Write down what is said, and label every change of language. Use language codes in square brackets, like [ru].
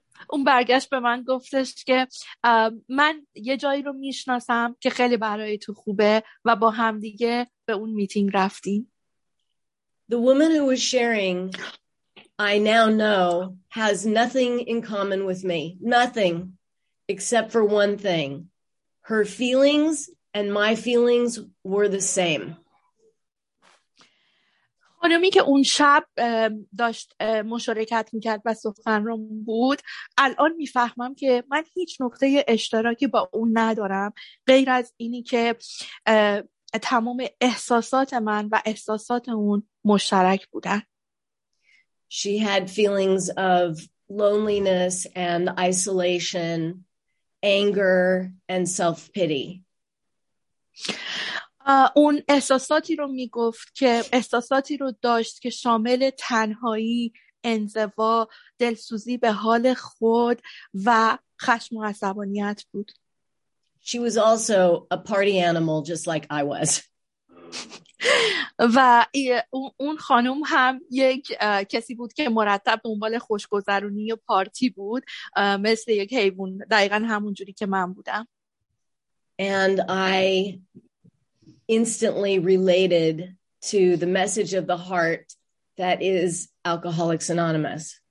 [fa] اون برگشت به من گفتش که من یه جایی رو میشناسم که خیلی برای تو خوبه و با هم دیگه به اون میتینگ رفتیم. [en] The woman who was sharing, I now know, has nothing in common with me. Nothing, except for one thing. Her feelings and my feelings were the same. [fa] خانمی که اون شب داشت مشارکت میکرد و سخنران بود الان میفهمم که من هیچ نقطه اشتراکی با اون ندارم غیر از اینی که تمام احساسات من و احساسات اون مشترک بودن. [en] She had feelings of loneliness and isolation, anger and self-pity. [fa] اون احساساتی رو میگفت که احساساتی رو داشت که شامل تنهایی، انزوا، دلسوزی به حال خود و خشم و عصبانیت بود. [en] She was also a party animal just like I was. [fa] و اون خانم هم یک کسی بود که مرتب دنبال خوشگذرونی و پارتی بود مثل یک حیوان دقیقا همون جوری که من بودم. [en] And I instantly related to the message of the heart that is Alcoholics Anonymous.